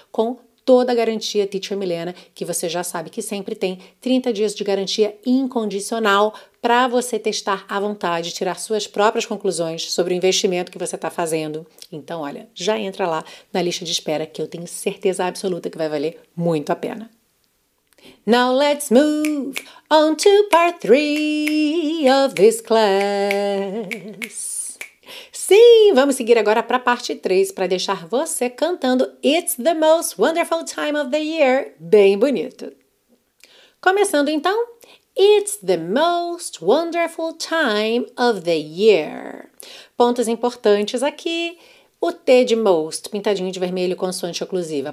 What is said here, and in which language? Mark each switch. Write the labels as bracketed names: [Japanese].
[Portuguese] Com toda a garantia Teacher Milena, que você já sabe que sempre tem 30 dias de garantia incondicional para você testar à vontade, tirar suas próprias conclusões sobre o investimento que você está fazendo. Então, olha, já entra lá na lista de espera, que eu tenho certeza absoluta que vai valer muito a pena. [English] Now let's move on to part 3 of this class. [Portuguese] Sim, vamos seguir agora para a parte 3 para deixar você cantando [English] It's the Most Wonderful Time of the Year [Portuguese] bem bonito. Começando então, [English] It's the Most Wonderful Time of the Year. [Portuguese] Pontos importantes aqui. O T de most, pintadinho de vermelho, consoante oclusiva.